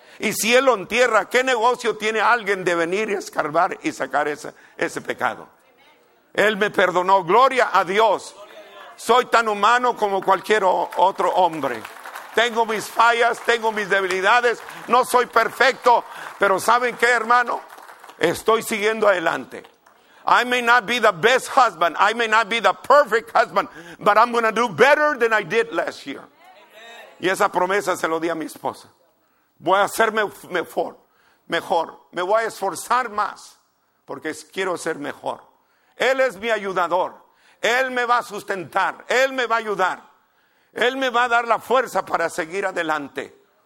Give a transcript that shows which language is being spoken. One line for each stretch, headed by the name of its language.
Spanish: Y si Él lo entierra, ¿qué negocio tiene alguien de venir y escarbar y sacar ese pecado? Él me perdonó, gloria a Dios. Soy tan humano como cualquier otro hombre. Tengo mis fallas, tengo mis debilidades, no soy perfecto, pero ¿saben qué, hermano? Estoy siguiendo adelante.
English: I may not be the best husband, I may not be the perfect husband, but I'm going to do better than I did last year.
Spanish: Amen. Y esa promesa se lo di a mi esposa. Voy a hacerme mejor, me voy a esforzar más, porque quiero ser mejor. Él es mi ayudador, Él me va a sustentar, Él me va a ayudar, Él me va a dar la fuerza para seguir adelante.